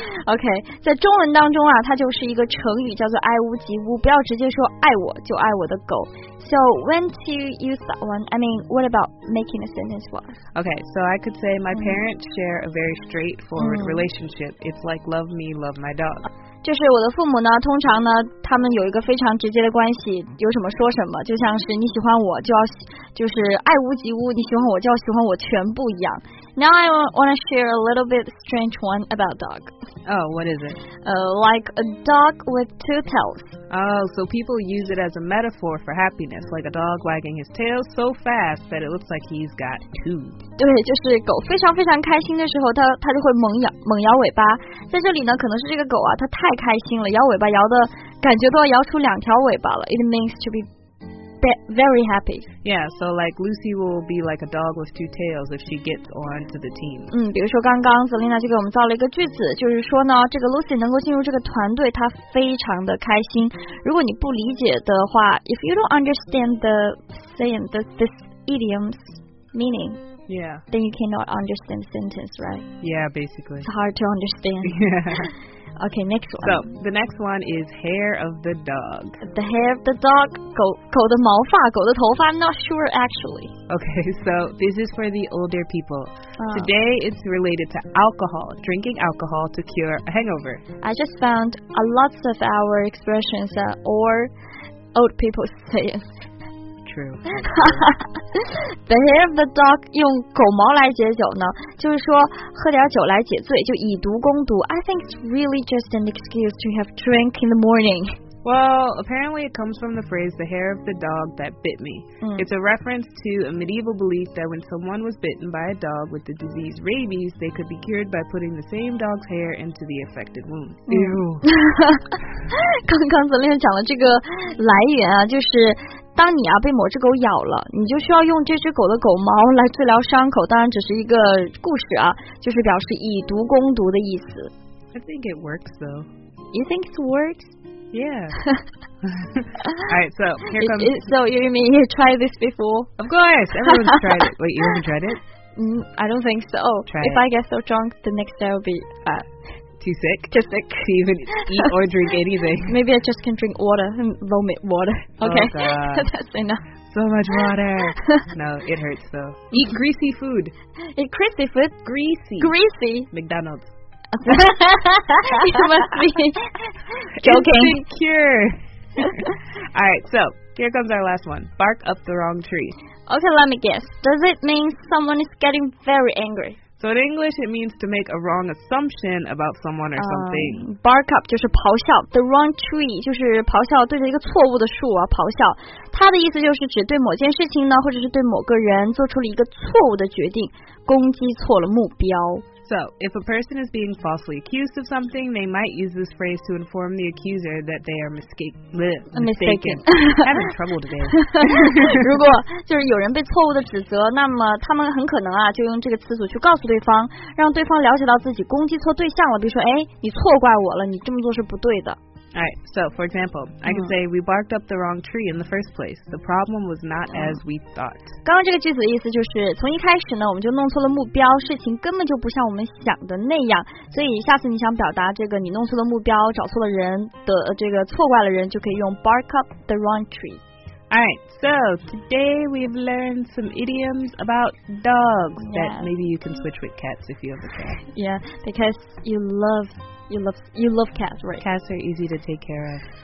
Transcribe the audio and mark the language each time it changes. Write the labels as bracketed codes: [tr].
[zh] Okay, 在中文当中啊，它就是一个成语，叫做爱屋及乌。不要直接说爱我就爱我的狗。 [en] So when to use that one? I mean, what about making a sentence work? Okay, so I could say my parents share a very straightforward relationship. It's like love me, love my dog. [zh] 就是我的父母呢，通常呢，他们有一个非常直接的关系，有什么说什么，就像是你喜欢我就要，就是爱屋及乌，你喜欢我就要喜欢我全部一样。 [en] Now I want to share a little bit strange one about dog. Oh, what is it? Like a dog with two tails. Oh, so people use it as a metaphor for happiness, like a dog wagging his tail so fast that it looks like he's got two. [zh] 对，就是狗非常非常开心的时候，它就会猛摇尾巴。在这里呢，可能是这个狗啊，它太开心了，摇尾巴摇的感觉都要摇出两条尾巴了。 [en] It means to be very happy. Yeah, so like Lucy will be like a dog with two tails if she gets onto the team. [zh] 比如说刚刚 Zelina 就给我们造了一个句子，就是说呢，这个 Lucy 能够进入这个团队，她非常的开心。如果你不理解的话 [en] ，if you don't understand the saying, this idiom's meaning. Yeah. Then you cannot understand the sentence, right? Yeah, basically. It's hard to understand. Yeah. Okay, next one. So, the next one is hair of the dog. The hair of the dog? [zh] 狗的毛发，狗的头发? [en] I'm not sure, actually. Okay, so this is for the older people. Today, it's related to alcohol, drinking alcohol to cure a hangover. I just found a lot of our expressions that old people say it. True. [zh] The hair of the dog 用狗毛来解酒呢，就是说喝点酒来解醉，就以毒攻毒。 [en] I think it's really just an excuse to have drink in the morning. Well, apparently it comes from the phrase the hair of the dog that bit me. It's a reference to a medieval belief that when someone was bitten by a dog with the disease rabies, they could be cured by putting the same dog's hair into the affected wound. Ew. [zh] 刚刚子令讲的这个来源啊，就是当你啊被某只狗咬了，你就需要用这只狗的狗毛来治疗伤口。当然只是一个故事啊，就是表示以毒攻毒的意思。 [en] I think it works though. You think it works? Yeah. Alright, so here comes. So you mean you tried this before? Of course, everyone's tried it. Wait, you haven't tried it? I don't think so. Try If it. I get so drunk, the next day will be too sick. Too sick to even eat or drink anything. Maybe I just can drink water and vomit water. Okay. That's enough. So much water. No, it hurts though. Eat greasy food. Eat greasy food? Greasy. Greasy? McDonald's. You must be joking. Instant cure. Alright, so here comes our last one. Bark up the wrong tree. Okay, let me guess. Does it mean someone is getting very angry? So in English, it means to make a wrong assumption about someone or something. [zh] Bark up 就是咆哮 The wrong tree 就是咆哮对着一个错误的树啊咆哮它的意思就是指对某件事情呢或者是对某个人做出了一个错误的决定攻击错了目标 [en] So if a person is being falsely accused of something, they might use this phrase to inform the accuser that they are mistaken. I'm in trouble today. [zh] 如果就是有人被错误的指责那么他们很可能啊就用这个词组去告诉对方让对方了解到自己攻击错对象了比如说哎你错怪我了你这么做是不对的 [en] Alright, so for example, I can say we barked up the wrong tree in the first place. The problem was not as we thought. [zh] 刚刚这个句子的意思就是从一开始呢我们就弄错了目标事情根本就不像我们想的那样所以下次你想表达这个你弄错了目标找错了人的这个错怪了人就可以用 bark up the wrong tree. [en] Alright, so today we've learned some idioms about dogs that maybe you can switch with cats if you have a cat. Yeah, because you love cats, right? Cats are easy to take care of.